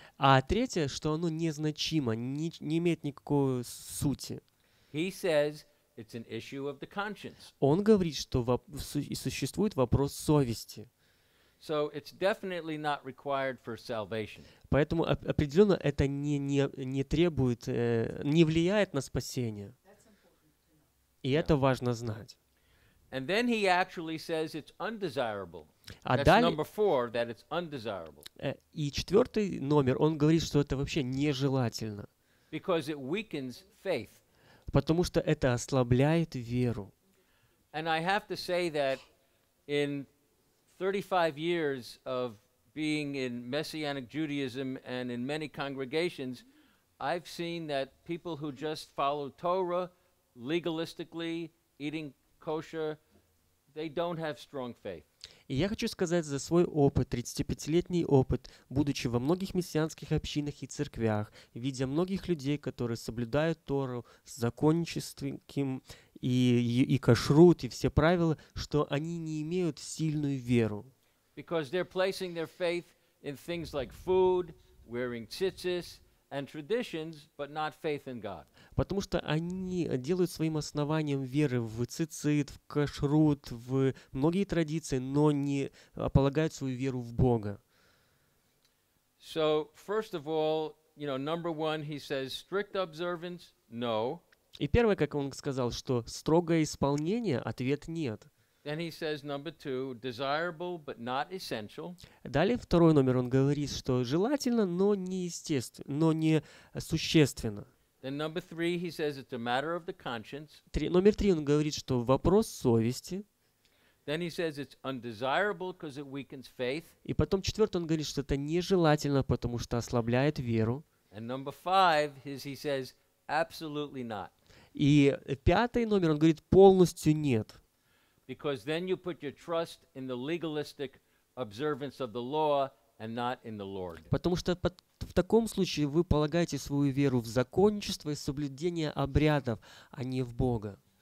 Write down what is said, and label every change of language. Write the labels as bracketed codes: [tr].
[ru] А третье, что оно незначимо, не имеет никакой сути. [en] He says, it's an issue of the conscience. [ru] Он говорит, что существует вопрос совести. [en] So it's definitely not required for salvation. [ru] Поэтому определенно это не требует, не влияет на спасение. И yeah. Это важно знать. [en] And then he actually says it's undesirable. That's number four, that it's undesirable. [ru] И четвертый номер, он говорит, что это вообще нежелательно. [en] Because it weakens faith. [ru] Потому что это ослабляет веру. [en] And I have to say that in 35 years of being in messianic Judaism and in many congregations, I've seen that people who just follow Torah legalistically, eating kosher, they don't have strong faith. [ru] И я хочу сказать за свой опыт, 35-летний опыт, будучи во многих мессианских общинах и церквях, видя многих людей, которые соблюдают Тору с законническим и кашрут, и все правила, что они не имеют сильную веру. [en] Because they're placing their faith in things like food, wearing tzitzis, and traditions, but not faith in God. [ru] Потому что они делают своим основанием веры в цицит, в кашрут, в многие традиции, но не полагают свою веру в Бога. [en] So, first of all, you know, number one, he says, strict observance, no. [ru] И первое, как он сказал, что строгое исполнение, ответ нет. [en] Then he says, number two, desirable, but not essential. [ru] Далее второй номер, он говорит, что желательно, но не существенно. [en] Then number three, he says it's a matter of the conscience. [ru] Номер три, он говорит, что вопрос совести. [en] Then he says it's undesirable because it weakens faith. [ru] И потом четвертый, он говорит, что это нежелательно, потому что ослабляет веру. [en] And number five, he says absolutely not. [ru] И пятый номер, он говорит, полностью нет. [en] Because then you put your trust in the legalistic observance of the law and not in the Lord. [ru] Потому что в таком случае вы полагаете свою веру в законничество и соблюдение обрядов, а не в Бога.